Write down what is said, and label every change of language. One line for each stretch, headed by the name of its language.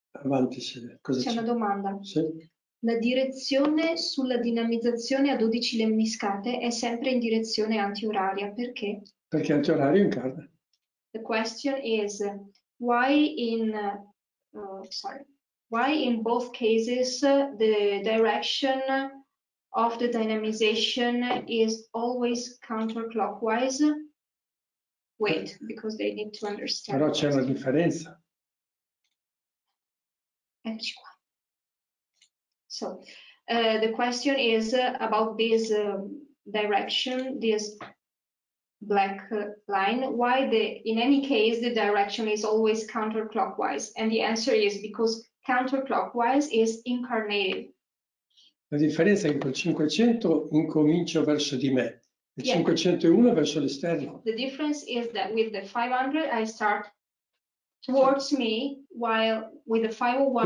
Italian: Avanti, se cosa c'è una domanda. Sì. La direzione sulla dinamizzazione a 12 lemniscate è sempre in direzione antioraria. Perché? Perché antiorario incarna.
English: The question is why in both cases the direction of the dynamization is always counterclockwise? Wait, because they need to understand.
Italian: Però c'è una differenza. Eccoci qua.
English: So the question is about this direction, this black line, why the in any case the direction is always counterclockwise, and the answer is because counterclockwise is incarnated.
Italian: La differenza è che col 500 incomincio verso di me, il 501 verso l'esterno.
English: The difference is that with the 500 I start towards me, while with the 501